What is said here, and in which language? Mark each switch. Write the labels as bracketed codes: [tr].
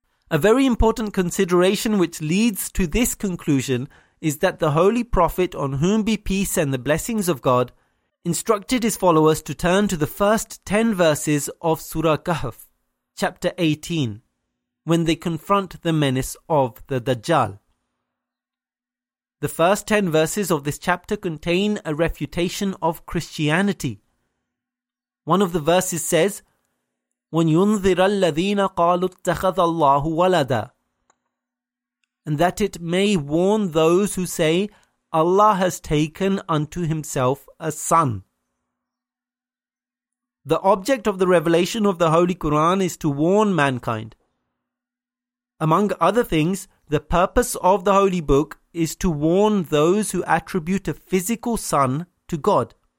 [en] A very important consideration which leads to this conclusion is that the Holy Prophet, on whom be peace and the blessings of God, instructed his followers to turn to the first 10 verses of Surah Kahf, chapter 18, when they confront the menace of the Dajjal. The first 10 verses of this chapter contain a refutation of Christianity. [ar] One of the verses says, وَنْيُنْذِرَ الَّذِينَ قَالُوا اتَّخَذَ اللَّهُ وَلَدًا. [en] And that it may warn those who say, Allah has taken unto himself a son. The object of the revelation of the Holy Quran is to warn mankind. Among other things, the purpose of the Holy Book is to warn those who attribute a physical son to God.